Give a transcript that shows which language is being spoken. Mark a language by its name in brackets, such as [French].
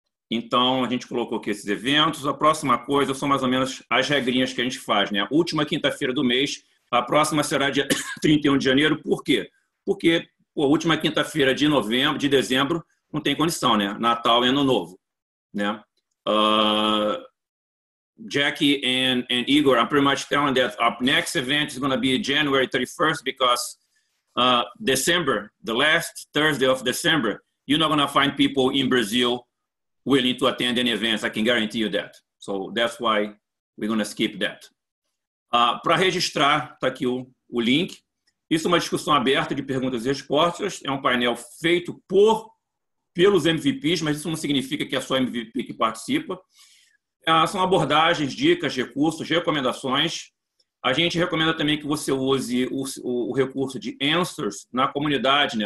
[Portuguese] Então, a gente colocou aqui esses eventos. A próxima coisa são mais ou menos as regrinhas que a gente faz, né? Última quinta-feira do mês, a próxima será dia 31 de janeiro. Por quê? Porque a última quinta-feira de novembro, de dezembro, não tem condição, né? Natal e Ano Novo, né? [English] Jackie and Igor, I'm pretty much telling that our next event is going to be January 31st because December, the last Thursday of December, you're not going to find people in Brazil willing to attend any events, I can guarantee you that. So that's why we're going to skip that. [Portuguese] Para registrar, está aqui o link. Isso é uma discussão aberta de perguntas e respostas. É um painel feito pelos MVPs, mas isso não significa que é só MVP que participa. São abordagens, dicas, recursos, recomendações. A gente recomenda também que você use o recurso de answers na comunidade, né?